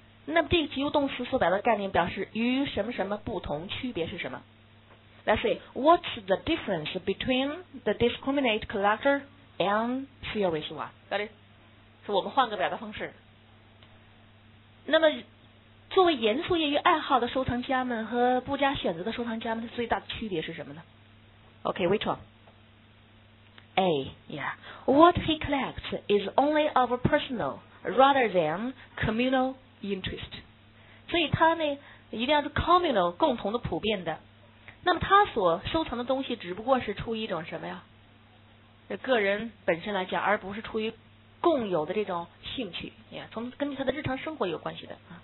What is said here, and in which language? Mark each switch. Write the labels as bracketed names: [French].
[Chinese] 那么这个及物动词所表达的概念表示与什么什么不同，区别是什么？ [English] Let's see, what's the difference between the discriminate collector and serious one? Got it? [Chinese] 是我们换个表达方式。那么作为严肃业余爱好的收藏家们和不加选择的收藏家们的最大的区别是什么呢？ [English] OK, which one? A, yeah, what he collects is only of a personal rather than communalinterest. [Chinese] 所以他呢一定要是 communal, 共同的普遍的。那么他所收藏的东西只不过是出于一种什么呀，个人本身来讲，而不是出于共有的这种兴趣，从根据他的日常生活有关系的。